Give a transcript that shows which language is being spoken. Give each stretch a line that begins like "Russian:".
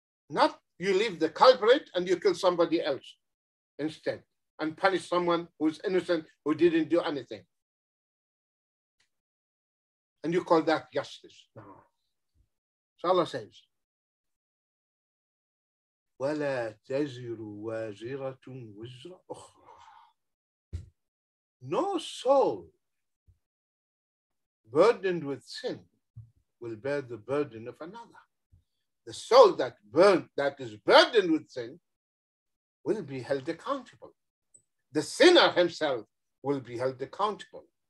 English: Not you leave the culprit and you kill somebody else instead and punish someone who's innocent, who didn't do anything. And you call that justice. No. So Allah says,
Arabic: وَلَا تَزِرُ وَازِرَةٌ وِزْرَ أُخْرَى.
English: No soul burdened with sin will bear the burden of another. The soul that is burdened with sin will be held accountable. The sinner himself will be held accountable.